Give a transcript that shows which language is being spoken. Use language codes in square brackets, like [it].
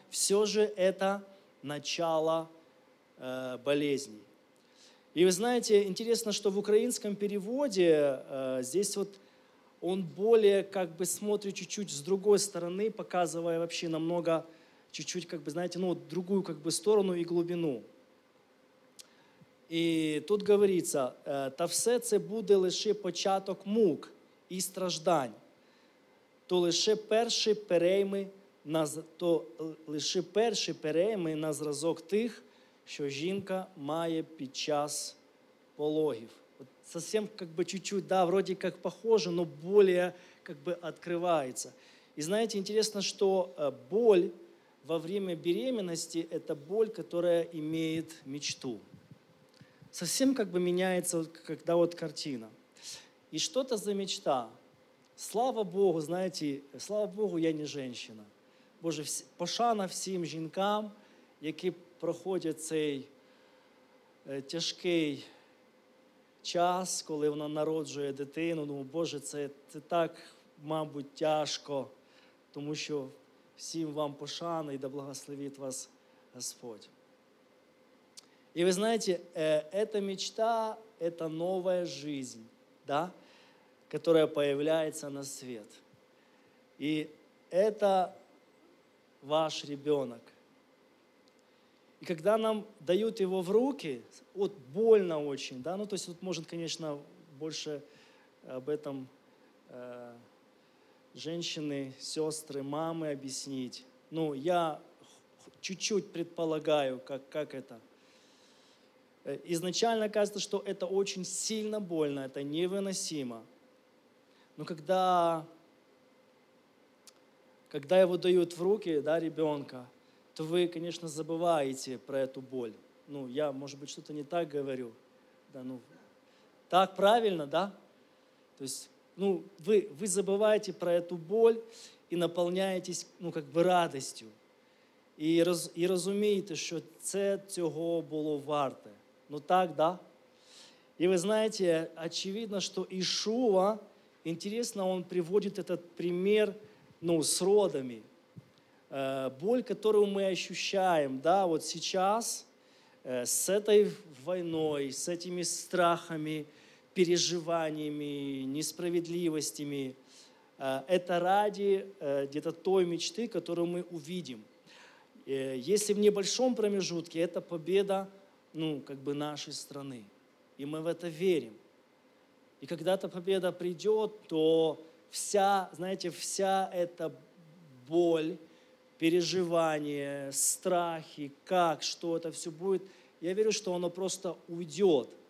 [ru] Все же это начало болезней. И вы знаете, интересно, что в украинском переводе здесь вот он более как бы смотрит чуть-чуть с другой стороны, показывая вообще намного чуть-чуть как бы, знаете, ну, другую как бы сторону и глубину. [uk] И тут говорится, «Та все це буде лише початок мук і страждань, то лише перші перейми на, то лише перші перейми на зразок тих, що жінка має під час пологів». [ru] От совсем как бы чуть-чуть, да, вроде как похоже, но более как бы открывается. И знаете, интересно, что боль во время беременности – это боль, которая имеет мечту. Совсем как бы меняется, когда вот картина. И что это за мечта? Слава Богу, знаете, слава Богу, я не женщина. [uk] Боже, пошана всім жінкам, які проходять цей тяжкий час, коли вона народжує дитину. Думаю, Боже, це так, мабуть, тяжко, тому що всім вам пошана і да благословить вас Господь. [ru] И вы знаете, эта мечта, это новая жизнь, да, которая появляется на свет. И это ваш ребенок. И когда нам дают его в руки, вот больно очень, да, ну то есть тут может, конечно, больше об этом женщины, сестры, мамы объяснить. Ну я чуть-чуть предполагаю, как это. Изначально кажется, что это очень сильно больно, это невыносимо. Но когда его дают в руки, да, ребенка, то вы, конечно, забываете про эту боль. Ну, я, может быть, что-то не так говорю. Да, ну, так правильно, да? То есть ну, вы забываете про эту боль и наполняетесь, ну, как бы радостью. [uk] І розумієте, що це цього було варте. Ну так, да? І ви знаєте, очевидно, що Ішуа, інтересно, він приводить цей примір, ну, з родами. Боль, яку ми відчуваємо, да, от зараз, з цією війною, з цими страхами, переживаннями, несправедливостями, це [ru] ради где-то той мечти, [uk] яку ми побачимо. [ru] Если в небольшом промежутке, это победа, ну, как бы нашей страны. И мы в это верим. И когда эта победа придет, то вся, знаете, вся эта боль, переживания, страхи, как, что это все будет, я верю, что оно просто уйдет.